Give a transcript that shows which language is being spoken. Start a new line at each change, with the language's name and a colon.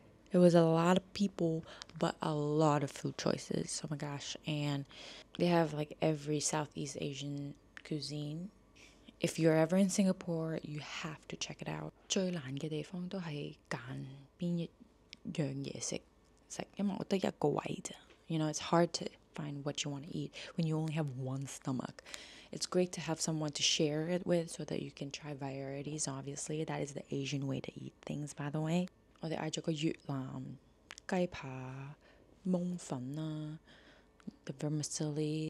English: It was a lot of people, but a lot of food choices. Oh my gosh. And they have like every Southeast Asian cuisine. If you're ever in Singapore, you have to check it out.
Cantonese: 最難嘅地方都係揀邊一樣嘢食食，因為我得一個胃啫。
English: You know, it's hard to find what you want to eat when you only have one stomach. It's great to have someone to share it with so that you can try varieties, obviously. That is the Asian way to eat things, by the way.
Cantonese: 我哋嗌咗個越南雞扒、檬粉啦、
English: the vermicelli.